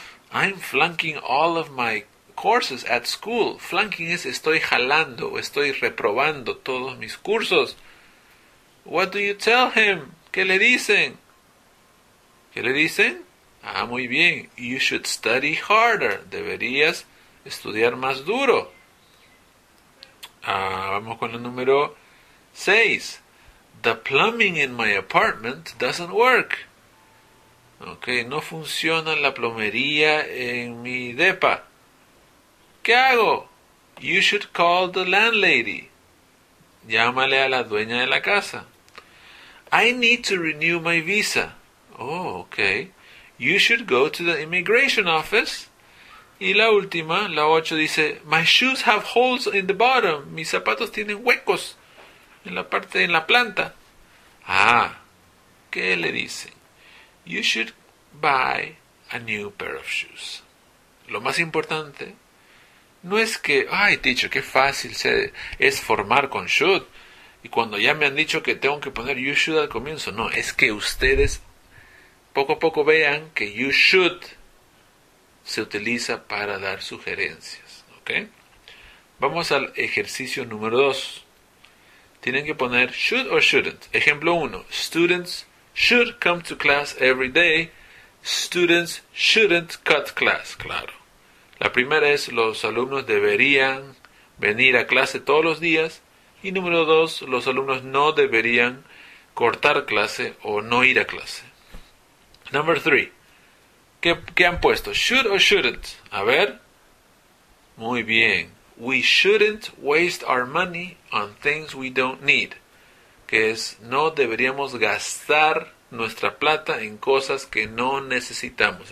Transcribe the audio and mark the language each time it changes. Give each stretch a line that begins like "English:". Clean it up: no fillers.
English: I'm flunking all of my courses at school.
Spanish: Flunking es estoy jalando o estoy reprobando todos mis cursos.
English: What do you tell him?
Spanish: ¿Qué le dicen? ¿Qué le dicen? Ah, muy bien.
English: You should study harder.
Spanish: Deberías estudiar más duro. Ah, vamos con el número 6.
English: The plumbing in my apartment doesn't work.
Spanish: Ok, no funciona la plomería en mi depa. ¿Qué hago?
English: You should call the landlady.
Spanish: Llámale a la dueña de la casa.
English: I need to renew my visa. Oh, okay. You should go to the immigration office.
Spanish: Y la última, la 8, dice,
English: my shoes have holes in the bottom.
Spanish: Mis zapatos tienen huecos en la parte de la planta. Ah, ¿qué le dicen?
English: You should buy a new pair of shoes.
Spanish: Lo más importante no es que, ay, teacher, qué fácil es formar con should. Y cuando ya me han dicho que tengo que poner you should al comienzo, no, es que ustedes poco a poco vean que you should se utiliza para dar sugerencias, ¿ok? Vamos al ejercicio número 2. Tienen que poner should or shouldn't. Ejemplo 1.
English: Students should come to class every day. Students shouldn't cut class.
Spanish: Claro. La primera es los alumnos deberían venir a clase todos los días. Y número 2, los alumnos no deberían cortar clase o no ir a clase.
English: Number 3.
Spanish: ¿Qué han puesto? ¿Should o shouldn't? A ver. Muy bien.
English: We shouldn't waste our money on things we don't need.
Spanish: Que es, no deberíamos gastar nuestra plata en cosas que no necesitamos.